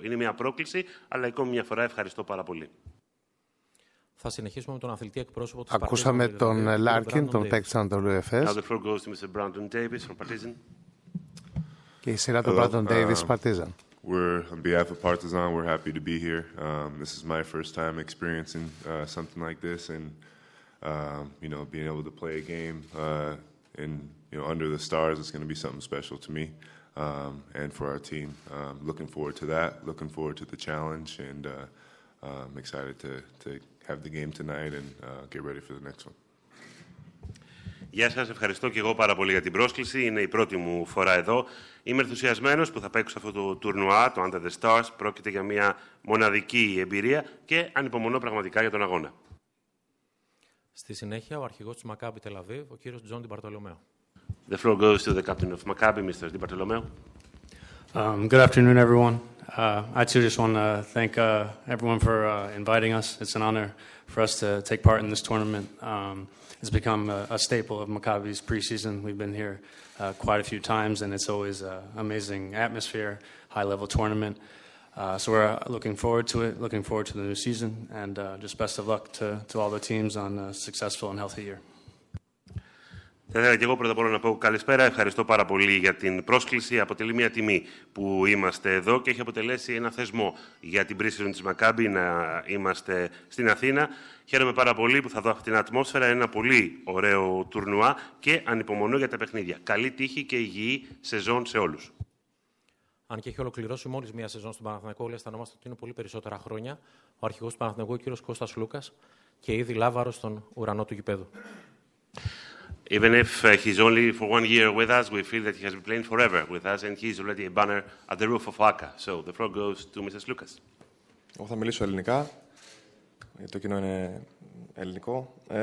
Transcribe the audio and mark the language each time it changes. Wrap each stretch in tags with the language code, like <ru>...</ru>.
<el>Είναι μια πρόκληση, αλλά ακόμη μια φορά ευχαριστώ πάρα πολύ. Θα συνεχίσουμε με τον αθλητή εκπρόσωπο της Ακούσαμε τον Λάρκιν, τον παίκτη του Ανατολού Εφές.</el> <en>Now the floor goes to Mr. Brandon Davis from Partizan.</en> <el>Και η σειρά του Brandon Davis, Partizan.</el> <en>We're on behalf of Partizan. We're happy to be here. This is my first time experiencing something like this, and you know, being able to play a game and you know, under the stars, it's going to be something special to me and for our team. Looking forward to that. Looking forward to the challenge, and I'm excited to have the game tonight and get ready for the next one.</en> <el>Γεια σας, ευχαριστώ και εγώ πάρα πολύ για την πρόσκληση. Είναι η πρώτη μου φορά εδώ. Είμαι ενθουσιασμένος που θα παίξω αυτό το τουρνουά, το Under the Stars. Πρόκειται για μια μοναδική εμπειρία και ανυπομονώ πραγματικά για τον αγώνα. Στη συνέχεια, ο αρχηγός της Maccabi Tel Aviv, ο κύριος John DiBartolomeo.</el> <en>The floor goes to the captain of Maccabi, Mr. DiBartolomeo. Good afternoon, everyone. I too just want to thank everyone for inviting us. It's an honor for us to take part in this tournament. It's become a staple of Maccabi's preseason. We've been here quite a few times, and it's always an amazing atmosphere, high-level tournament. So we're looking forward to it, looking forward to the new season, and just best of luck to all the teams on a successful and healthy year.</en> <el>Θα ήθελα και εγώ πρώτα απ' όλα να πω καλησπέρα. Ευχαριστώ πάρα πολύ για την πρόσκληση. Αποτελεί μια τιμή που είμαστε εδώ και έχει αποτελέσει ένα θεσμό για την pre-season της Maccabi να είμαστε στην Αθήνα. Χαίρομαι πάρα πολύ που θα δω αυτή την ατμόσφαιρα. Ένα πολύ ωραίο τουρνουά και ανυπομονώ για τα παιχνίδια. Καλή τύχη και υγιή σεζόν σε όλους. Αν και έχει ολοκληρώσει μόλις μια σεζόν στον Παναθηναϊκό, όλοι αισθανόμαστε ότι είναι πολύ περισσότερα χρόνια. Ο αρχηγός του Παναθηναϊκού, ο κύριος Κώστας Λούκας, και ήδη λάβαρος στον ουρανό του γηπέδου.</el> <en>Even if he's only for 1 year with us, we feel that he has been playing forever with us, and he's already a banner at the roof of ACA. So the floor goes to Mrs. Lucas.</en> <el>Εγώ θα μιλήσω ελληνικά, γιατί το κοινό είναι ελληνικό.</el>